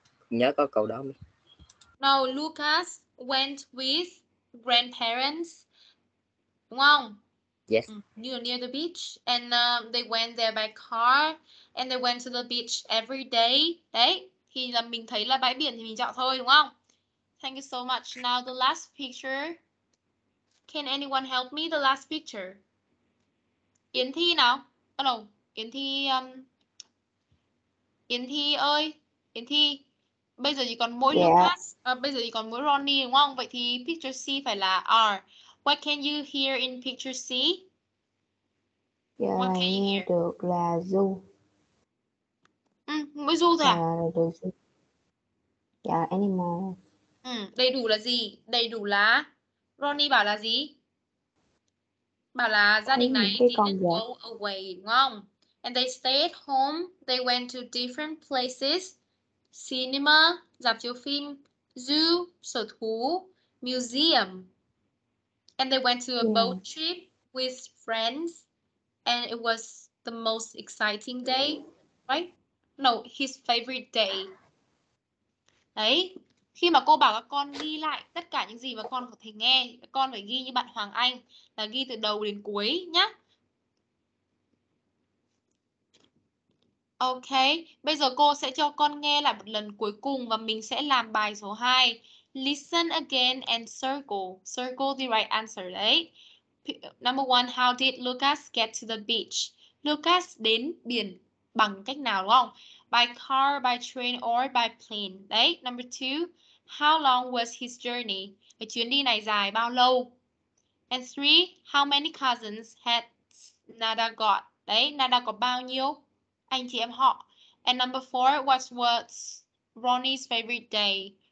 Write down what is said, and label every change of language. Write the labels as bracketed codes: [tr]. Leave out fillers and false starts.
[vi] Nhớ có câu đó không? [en] No, Lucas went with grandparents, [vi] đúng không? [en] Yes. Near the beach, and they went there by car, and they went to the beach every day. [vi] Đấy, thì là mình thấy là bãi biển thì mình chọn thôi, đúng không? [en] Thank you so much. Now the last picture. Can anyone help me? The last picture. Yến Thi nào? Oh no, [vi] Yến Thi. Yến Thi ơi, Yến Thi. Bây giờ chỉ còn mỗi Lucas, bây giờ chỉ còn mỗi Ronnie đúng không? Vậy thì [en] picture C [vi] phải là R. [en] What can you hear in picture C? What can you hear? [vi] Được là zoo. Mỗi zoo thôi à? [en] Animal. [vi] Đầy đủ là gì? Đầy đủ là Ronnie bảo là gì? Bảo là gia đình này [en] didn't go away [vi] đúng không? [en] And they stayed home, they went to different places. [vi] Cinema, dạp chiếu phim, zoo, sở thú, museum. [en] And they went to a boat trip with friends. And it was the most exciting day, right? No, his favorite day. [vi] Đấy, khi mà cô bảo các con ghi lại tất cả những gì mà con có thể nghe, các con phải ghi như bạn Hoàng Anh, là ghi từ đầu đến cuối nhá. Ok, bây giờ cô sẽ cho con nghe lại một lần cuối cùng và mình sẽ làm bài số 2. [en] Listen again and circle. Circle the right answer, [vi] đấy. [en] Number 1, how did Lucas get to the beach? [vi] Lucas đến biển bằng cách nào, đúng không? [en] By car, by train or by plane, [vi] đấy. [en] Number 2, how long was his journey? [vi] Cái chuyến đi này dài bao lâu? [en] And 3, how many cousins had Nada got? [vi] Đấy, Nada có bao nhiêu anh chị em họ. [en] And number 4, what's Ronnie's favorite day?